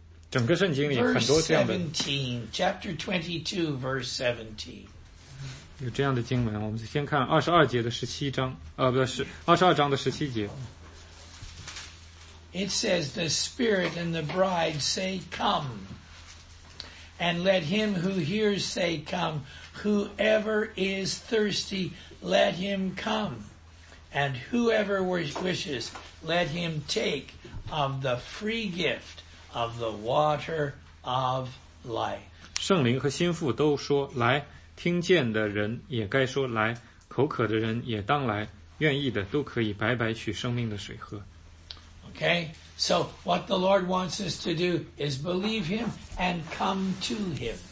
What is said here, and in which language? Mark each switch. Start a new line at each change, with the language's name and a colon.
Chinese: 整个圣经里很多这样的。
English: Verse 17, chapter 22, verse 17.
Chinese: 有这样的经文，我们先看22章的17节。
English: It says, the Spirit and the bride say, come. And let him who hears say, come. Whoever is thirsty, let him come. and whoever wishes, let him take of the free gift of the water of life.
Chinese: 圣灵和心腹都说，来，听见的人也该说来，口渴的人也当来，愿意的都可以白白取生命的水喝。
English: Okay, so what the Lord wants us to do is believe him and come to him.